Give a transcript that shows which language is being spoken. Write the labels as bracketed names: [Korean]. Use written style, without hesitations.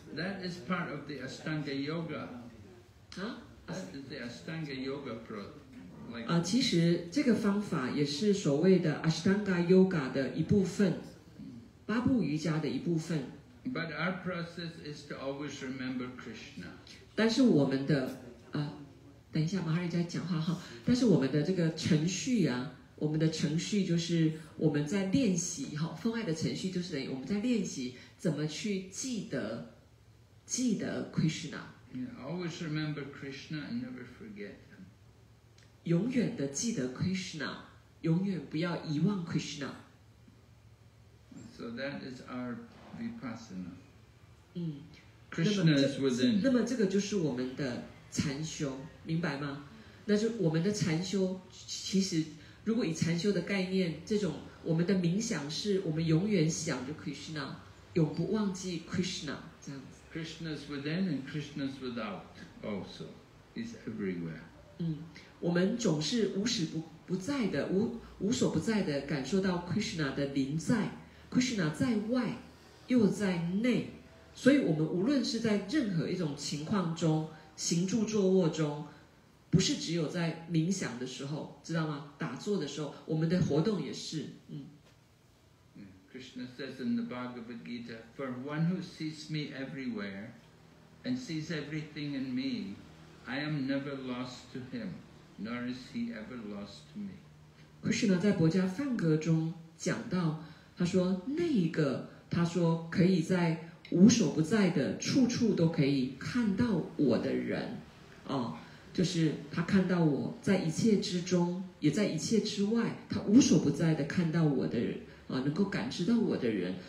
[English] That is part of the Ashtanga Yoga. Huh? That is the Ashtanga Yoga program. [Chinese] 其实这个方法也是所谓的 Ashtanga Yoga 的一部分，八步瑜伽的一部分。 [English] But our process is to always remember Krishna. [Chinese] 但是我们的等一下，马哈里在讲话哈。但是我们的这个程序啊，我们的程序就是我们在练习哈，分爱的程序就是我们在练习怎么去记得 Krishna。 [English] Yeah, always remember Krishna and never forget him. [Chinese] 永远的记得 Krishna， 永远不要遗忘 Krishna。 [English] So that is our vipassana. 嗯，Krishna is within. [Chinese] 那么这个就是我们的禅修，明白吗？那就我们的禅修，其实如果以禅修的概念，这种我们的冥想是我们永远想着 Krishna， 永不忘记 Krishna 这样子。 [English] Krishna's within and Krishna's without also is everywhere. [Chinese] 嗯，我们总是无时不在的无所不在的感受到 Krishna 的临在 ，Krishna 在外又在内，所以我们无论是在任何一种情况中，行住坐卧中。不是只有在冥想的时候，知道吗？打坐的时候，我们的活动也是，嗯。 [English] Krishna says in the Bhagavad Gita, "For one who sees me everywhere, and sees everything in me, I am never lost to him, nor is he ever lost to me." [Chinese] Krishna 在《薄伽梵歌》中讲到，他说：“那一个，他说可以在无所不在的处处都可以看到我的人，哦。” 就是他看到我在一切之中，也在一切之外，他无所不在的看到我的人啊，能够感知到我的人。